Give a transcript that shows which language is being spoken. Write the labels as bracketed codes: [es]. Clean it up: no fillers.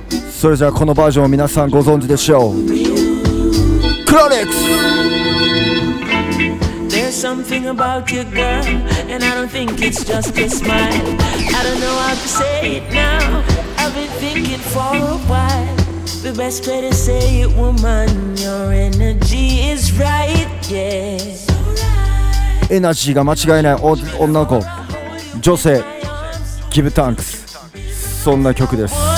[ja] それじゃあこのバージョンを皆さんご存知でしょう。クロニックス。 [en] There's something about you girl, and I don't think it's just a smile. I don't know how to say it now, I've been thinking for a while. The best way to say it woman, your energy is right, yeah. [ja] エナジーが間違いない女の子、女性、ギブタンクス、そんな曲です。